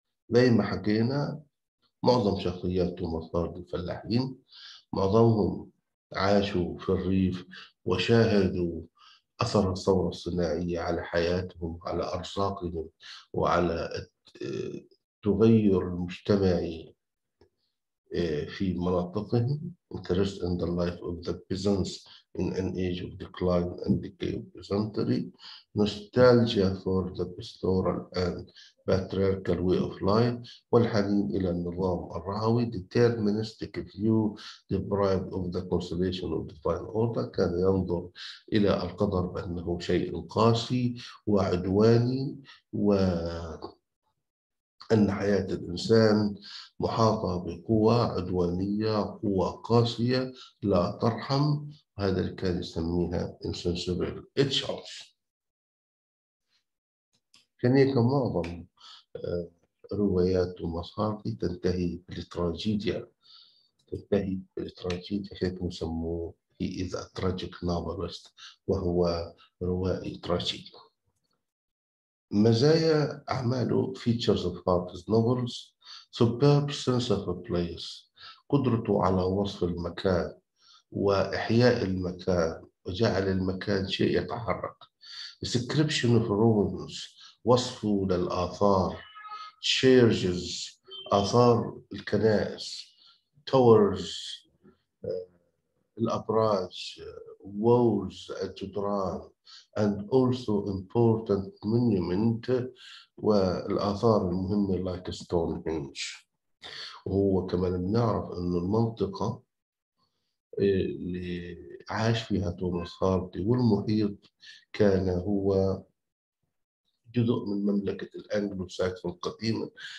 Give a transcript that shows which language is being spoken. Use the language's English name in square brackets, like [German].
[Arabic] زي ما حكينا معظم شخصيات توماس هاردي الفلاحين، معظمهم عاشوا في الريف وشاهدوا أثر الثورة الصناعية على حياتهم، على أرزاقهم، وعلى التغير المجتمعي في مناطقهم. [English] Interest in the life of the peasants in an age of decline and decay of peasantry. Nostalgia for the pastoral and patriarchal way of life. [Arabic] والحنين إلى النظام الرعوي. [English] Deterministic view deprived of the consolation of divine order. [Arabic] كان ينظر إلى القدر بأنه شيء قاسي وعدواني، و أن حياة الإنسان محاطة بقوة عدوانية، قوة قاسية لا ترحم. هذا اللي كان يسميها [English] insensible itself. [Arabic] كان هيك معظم روايات ومصاري تنتهي بالتراجيديا، تنتهي بالتراجيديا. هيك يسموه [English] he is a tragic novelist، [Arabic] وهو روائي تراجيدي. مزايا أعماله [English] features of Hardy's novels superb sense of a place، [Arabic] قدرته على وصف المكان وإحياء المكان وجعل المكان شيء يتحرك. [English] description of ruins، [Arabic] وصفه للآثار. churches، آثار الكنائس. towers، الأبراج. walls، الجدران. [English] And also important monument، [Arabic] والآثار المهمة [English] like Stonehenge. [Arabic] وهو كمان بنعرف أنه المنطقة اللي عاش فيها توماس هاردي والمحيط كان هو جزء من مملكة الأنجلو ساكسون القديمة.